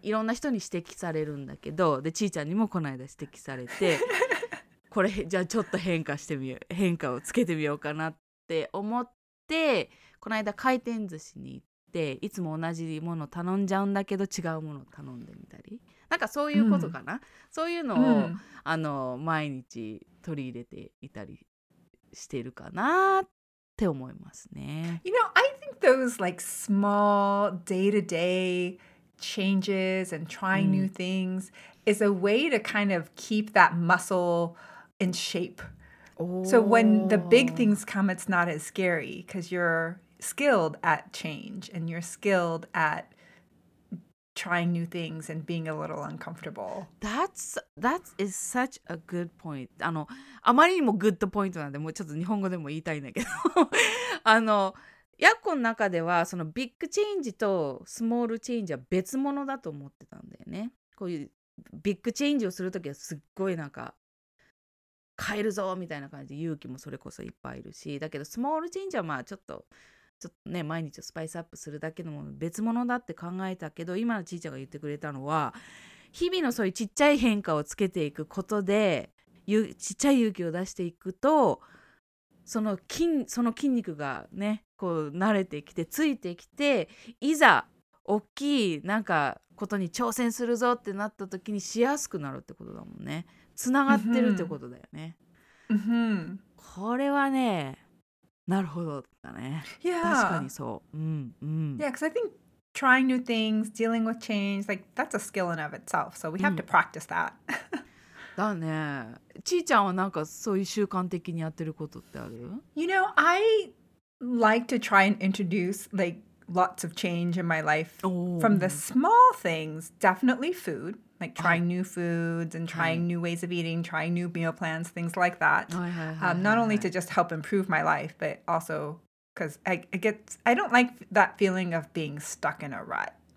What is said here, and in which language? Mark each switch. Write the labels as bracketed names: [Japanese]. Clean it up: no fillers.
[Japanese] いろんな人に指摘されるんだけど、でちーちゃんにもこの間指摘されて、これじゃあちょっと変化してみよう、変化をつけてみようかなって思って、この間回転寿司に行っていつも同じもの頼んじゃうんだけど違うもの頼んでみたり、なんかそういうことかな、うん、そういうのを、うん、毎日取り入れていたりしてるかなって思いますね。 [English] You know, I think those like small day-to-dayChanges and trying new things is a way to kind of keep that muscle in shape. So when the big things come, it's not as scary because you're skilled at change and you're skilled at trying new things and being a little uncomfortable. That is such a good point. [Japanese] あまりにもグッドポイントなんで、もうちょっと日本語でも言いたいんだけど、ヤッコの中ではそのビッグチェンジとスモールチェンジは別物だと思ってたんだよね。こういうビッグチェンジをするときはすっごいなんか変えるぞみたいな感じで勇気もそれこそいっぱいいるし、だけどスモールチェンジはまあちょっとちょっとね、毎日スパイスアップするだけのもの別物だって考えたけど、今のちーちゃんが言ってくれたのは、日々のそういうちっちゃい変化をつけていくことで、ちっちゃい勇気を出していくと、その筋肉がね、こう慣れてきてついてきて、いざ大きいなんかことに挑戦するぞってなった時にしやすくなるってことだもんね。つながってるってことだよね。これはね、なるほどだね。 [English] Yeah. [Japanese] 確かにそう。 [English] Yeah, because I think trying new things, dealing with change, like that's a skill in of itself. So we have to practice that. [Japanese] だね。ちーちゃんはなんかそういう習慣的にやってることってある？ [English] You know, I like to try and introduce like lots of change in my life from the small things, definitely food. Like trying new foods and trying new ways of eating, trying new meal plans, things like that. Not only to just help improve my life, but also because I don't like that feeling of being stuck in a rut.